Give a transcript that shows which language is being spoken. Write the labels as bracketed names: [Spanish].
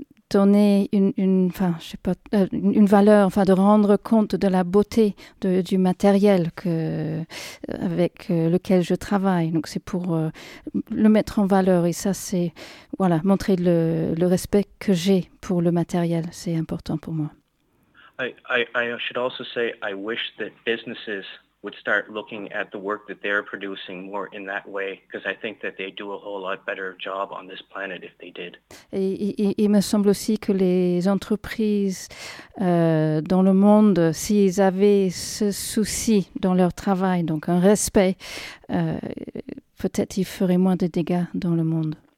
[French] donner une valeur, enfin de rendre compte de la beauté du matériel avec lequel je travaille. Donc c'est pour le mettre en valeur, et ça c'est voilà, montrer le respect que j'ai pour le matériel, c'est important pour moi. [English] I should also say I wish that businesses would start looking at the work that they're producing more in that way, because I think that they'd do a whole lot better job on this planet if they did. [French] Et il me semble aussi que les entreprises dans le monde, s'ils avaient ce souci dans leur travail, donc un respect, peut-être ils feraient moins de dégâts dans le monde.